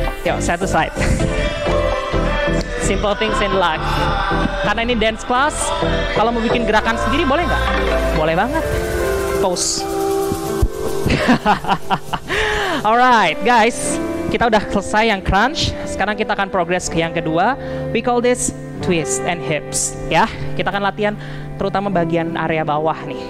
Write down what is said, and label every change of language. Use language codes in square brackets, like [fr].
[id] Yuk, satu [en] side. Simple things in life. [id] Karena ini dance class, kalau mau bikin gerakan sendiri boleh nggak? Boleh banget. Pose. [en] Alright, guys. [id] Kita udah selesai yang crunch. Sekarang kita akan progress ke yang kedua. [en] We call this twist and hips. [id] Ya, kita akan latihan terutama bagian area bawah nih.